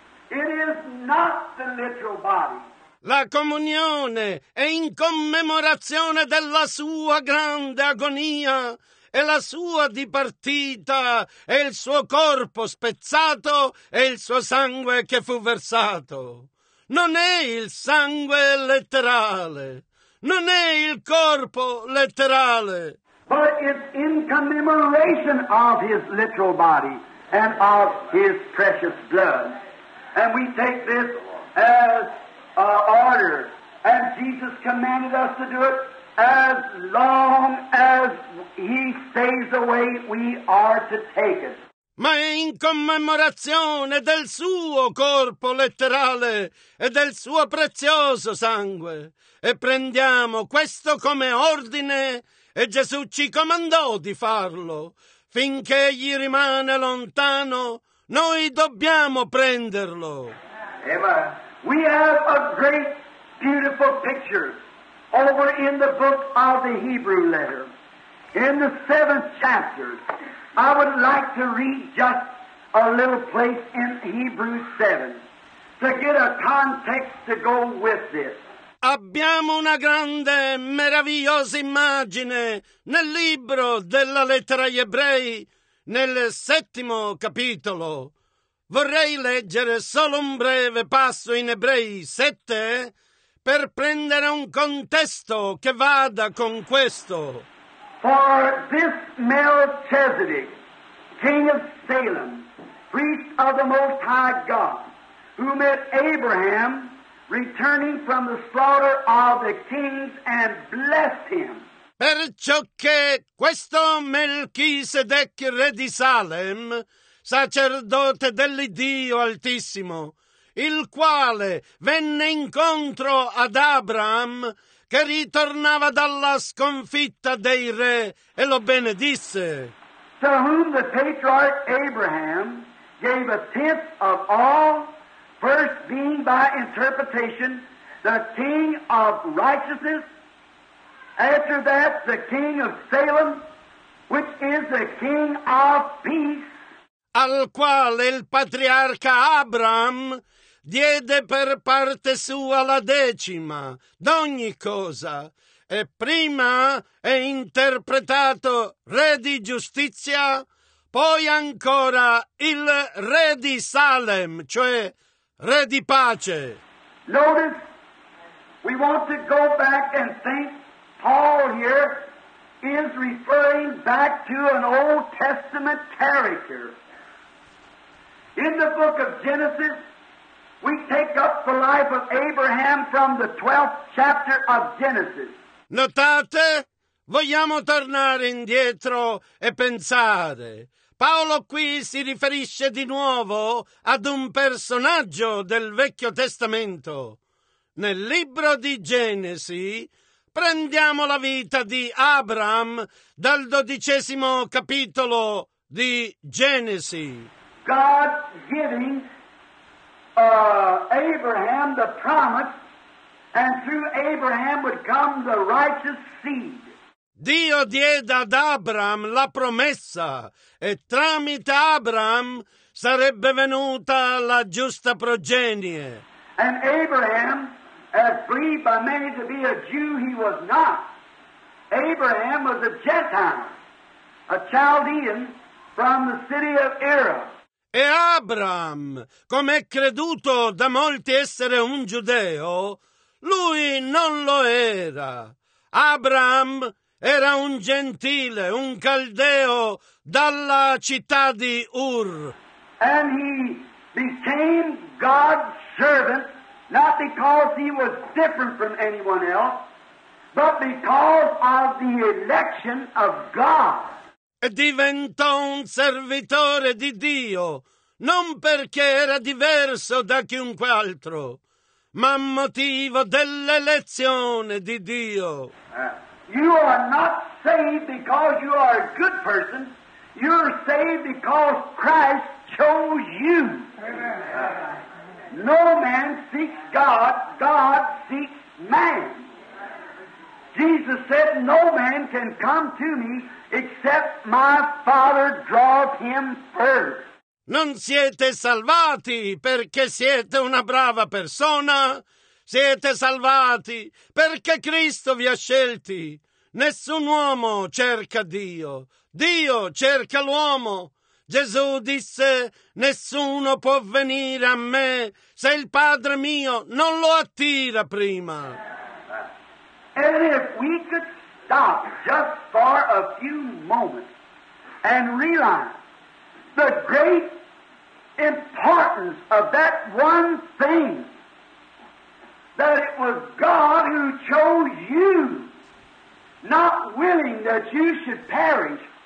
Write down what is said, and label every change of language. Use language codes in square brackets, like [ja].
[en] It is not the literal body. [it] La comunione è in commemorazione della sua grande agonia e la sua dipartita e il suo corpo spezzato e il suo sangue che fu versato. Non è il sangue letterale, non è il corpo letterale. [en] But it's in commemoration of his literal body and of his precious blood. And we take this as an order. And Jesus commanded us to do it. As long as he stays away, we are to take it. [it] Ma è in commemorazione del suo corpo letterale e del suo prezioso sangue. E prendiamo questo come ordine, e Gesù ci comandò di farlo. Finché egli rimane lontano, noi dobbiamo prenderlo. Amen. [en] We have a great, beautiful picture over in the book of the Hebrew letter. In the 7th chapter, I would like to read just a little place in Hebrews 7 to get a context to go with this. [it] Abbiamo una grande, meravigliosa immagine nel libro della lettera agli ebrei, nel 7° capitolo. Vorrei leggere solo un breve passo in Ebrei 7 per prendere un contesto che vada con questo. [en] For this Melchizedek, king of Salem, priest of the Most High God, who met Abraham returning from the slaughter of the kings and blessed him. [it] Perciò che questo Melchizedek, re di Salem, sacerdote dell'Iddio Altissimo, il quale venne incontro ad Abraham, che ritornava dalla sconfitta dei re, e lo benedisse. [en] To whom the patriarch Abraham gave a tenth of all, first being by interpretation the king of righteousness, after that the king of Salem, which is the king of peace. [it] Al quale il patriarca Abram diede per parte sua la decima d'ogni cosa, e prima è interpretato re di giustizia, poi ancora il re di Salem, cioè re di pace. [en] Notice, we want to go back and think Paul here is referring back to an Old Testament character. In the book of Genesis, we take up the life of Abraham from the 12th chapter of Genesis. [it] Notate, vogliamo tornare indietro e pensare. Paolo qui si riferisce di nuovo ad un personaggio del Vecchio Testamento. Nel libro di Genesi prendiamo la vita di Abraham dal 12° capitolo di Genesi. [en] God giving Abraham the promise, and through Abraham would come the righteous seed. [it] Dio diede ad Abraham la promessa, e tramite Abraham sarebbe venuta la giusta progenie. [en] And Abraham, as believed by many to be a Jew, he was not. Abraham was a Gentile, a Chaldean from the city of Arah. [it] E Abram, come è creduto da molti essere un giudeo, lui non lo era. Abram era un gentile, un caldeo dalla città di Ur. [en] And he became God's servant, not because he was different from anyone else, but because of the election of God. [it] E diventò un servitore di Dio, non perché era diverso da chiunque altro, ma a motivo dell'elezione di Dio. [en] You are not saved because you are a good person. You're saved because Christ chose you. No man seeks God, God seeks man. Jesus said, no man can come to me except my Father draws him first. [it] Non siete salvati perché siete una brava persona. Siete salvati perché Cristo vi ha scelti. Nessun uomo cerca Dio. Dio cerca l'uomo. Gesù disse, nessuno può venire a me se il Padre mio non lo attira prima. [en] And if we could stop just for a few moments and realize the great importance of that one thing, that it was God who chose you, not willing that you should perish.